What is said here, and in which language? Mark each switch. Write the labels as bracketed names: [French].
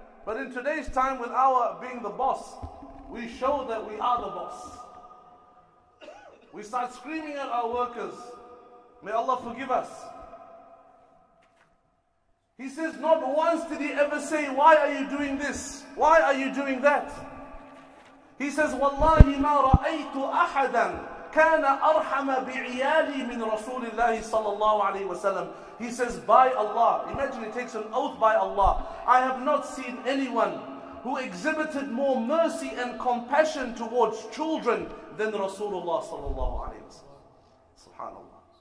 [English] But in today's time, with our being the boss, we show that we are the boss. We start screaming at our workers. May Allah forgive us. He says, not once did he ever say, "Why are you doing this? Why are you doing that?" He says, [Arabic] "وَاللَّهِ مَا رَأَيْتُ أَحَدًا كان أرحم بعيالي من رسول الله صلى الله عليه وسلم." [English] He says, "By Allah," imagine, he takes an oath by Allah, "I have not seen anyone who exhibited more mercy and compassion towards children than Rasulullah [Arabic] صلى الله عليه وسلم." [English] Subhanallah.